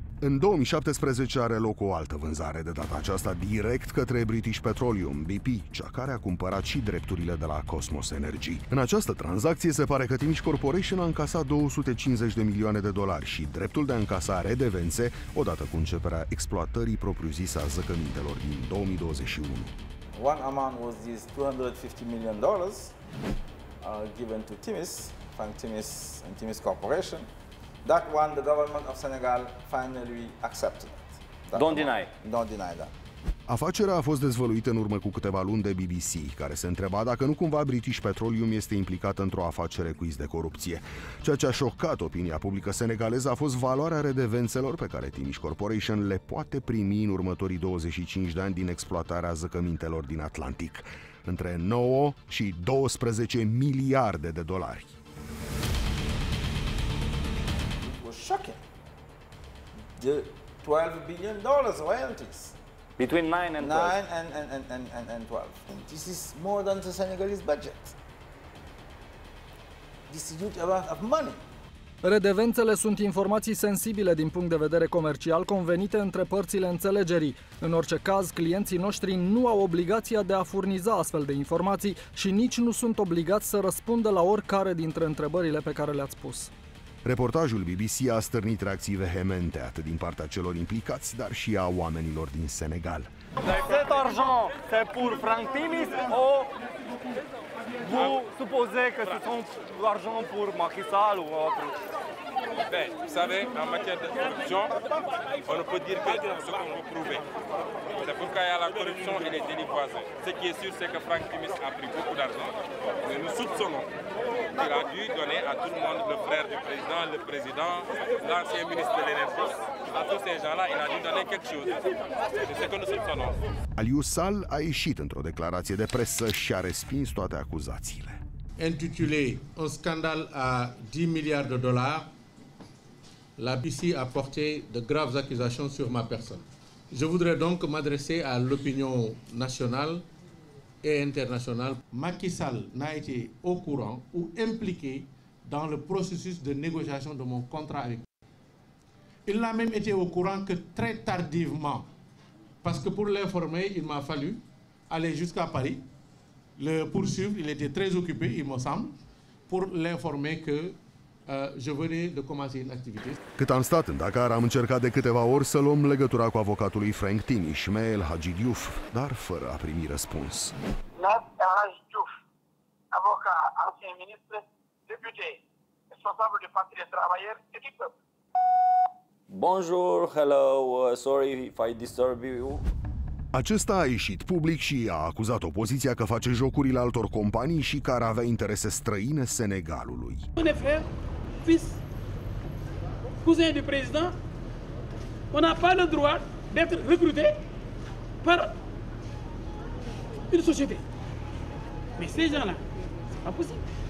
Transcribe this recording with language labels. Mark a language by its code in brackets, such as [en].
[ro] În 2017 are loc o altă vânzare, de data aceasta direct către British Petroleum, BP, cea care a cumpărat și drepturile de la Cosmos Energy. În această tranzacție se pare că Timiș Corporation a încasat 250 de milioane de dolari și dreptul de a încasa redevențe, odată cu începerea exploatării propriu-zise a zăcămintelor din 2021. [en] One amount was this $250 million given to Timiș, Frank Timiș and Timiș Corporation. That one, the government of Senegal finally accepted it. Don't deny that. [ro] Afacerea a fost dezvăluită în urmă cu câteva luni de BBC, care se întreba dacă nu cumva British Petroleum este implicat într-o afacere cu iz de corupție. Ceea ce a șocat opinia publică senegaleză a fost valoarea redevențelor pe care Timiș Corporation le poate primi în următorii 25 de ani din exploatarea zăcămintelor din Atlantic. Între 9 și 12 miliarde de dolari. [en] Shocking. The $12 billion royalties between 9 and 12. And this is more than the Senegalese budget. This is huge amount of money. [ro] Redevențele sunt informații sensibile din punct de vedere comercial, convenite între părțile înțelegerii. În orice caz, clienții noștri nu au obligația de a furniza astfel de informații și nici nu sunt obligați să răspundă la oricare dintre întrebările pe care le-ați pus. Reportajul BBC a stârnit reacții vehemente atât din partea celor implicați, dar și a oamenilor din Senegal. [fr] Cet argent, c'est pour Franck-Timis ou vous supposez que ce sont l'argent pour Macky Sall ou autre? Ben, vous savez, en matière de corruption, on ne peut dire que ce qu'on veut prouver. C'est pour qu'il y a la corruption et les délits voisins. Ce qui est sûr, c'est que Franck-Timis a pris beaucoup d'argent. Mais nous soupçonnons qu'il a dû donner à tout le monde, le frère du président, le président, l'ancien ministre de l'Énergie. À tous ces gens-là, il a dû donner quelque chose. C'est ce que nous soupçonnons. [ro] Aliou Sall a ieșit într-o declarație de presă și a respins toate acuzațiile. [fr] Intitulé un scandale à 10 milliards de dollars, la BBC a porté de graves accusations sur ma personne. Je voudrais donc m'adresser à l'opinion nationale et internationale. Macky Sall n'a été au courant ou impliqué dans le processus de négociation de mon contrat avec lui. Il n'a même été au courant que très tardivement, parce que pour l'informer, il m'a fallu aller jusqu'à Paris, le poursuivre, il était très occupé, il me semble, pour l'informer que je venais de commencer une activité. [ro] Cât am stat în Dakar, am încercat de câteva ori să luăm legătura cu avocatul lui Frank Tin, Ismael Hadji Diouf, dar fără a primi răspuns. [fr] Nasser Hadji Diouf, avocat, ancien ministre, député, responsable de Parti des Travailleurs et du Peuple. [en] Bonjour, hello, sorry if I disturb you. [ro] Acesta a ieșit public și a acuzat opoziția că face jocurile altor companii și care avea interese străine Senegalului. [fr] Un frère, fils, cousin du président, on n'a pas le droit d'être recruté par une société. Mais ces gens-là, c'est pas possible.